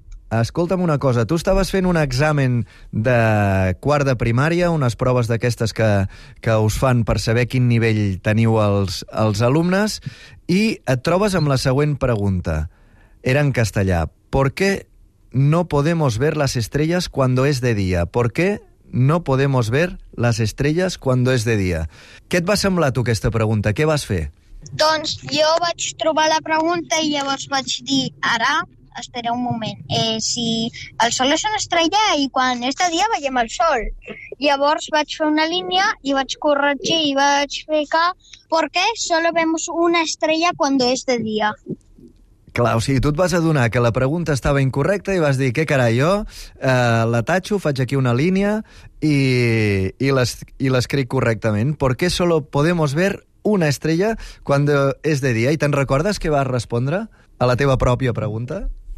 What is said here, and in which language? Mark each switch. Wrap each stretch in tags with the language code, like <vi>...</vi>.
<ca>Escolta'm una cosa, tu estaves fent un examen de quart de primària, unes proves d'aquestes que us fan per saber quin nivell teniu els alumnes, i et trobes amb la següent pregunta. Era en castellà.</ca> <es>¿Por qué no podemos ver las estrellas cuando es de día. ¿Por qué no podemos ver las estrellas cuando es de día?</es> <ca>Què et va semblar tu aquesta pregunta? Què vas fer? Doncs jo vaig trobar la pregunta i llavors vaig dir, ara, espera un moment, si el sol és una estrella i quan és de dia veiem el sol. Llavors vaig fer una línia i vaig corregir i vaig fer que</ca> <es>¿por qué solo vemos una estrella cuando es de día?</es> <ca>Clar, o sigui, tu et vas adonar que la pregunta estava incorrecta i vas dir, què carai, jo la tatxo, faig aquí una línia i l'escric correctament.</ca> <es>¿Por qué solo podemos ver una estrella cuando es de día?</es> <ca>I te'n recordes què vas respondre a la teva pròpia pregunta?</ca>